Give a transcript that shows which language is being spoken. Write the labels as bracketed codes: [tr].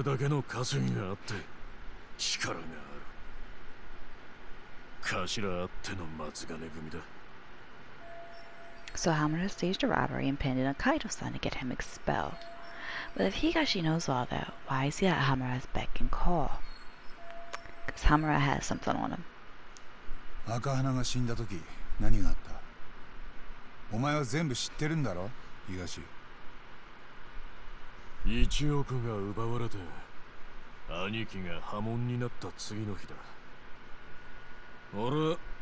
[ja] だ。頭にとって兄貴は組の中でただ一人の脅威だった。兄貴さえいなくなりゃ松金組を完全に掌握できる。あの人はそう踏んだ。確かにな、実際今そうなってる。頭に逆らえるもんはもうただの一人もいねえ。あの人にはそれだけの稼ぎがあって 力がある。頭あっての松金組だ。So [en] Hamura staged a robbery and pinned it on Kaido-san to get him expelled. But if Higashi knows all that, why is he at Hamura's beck and call? Because Hamura has something on him. [ja] 赤花が死んだ時、何があった? お前は全部知ってるんだろ? Higashi 1億が奪われて 兄貴が破門になった次の日だ。俺は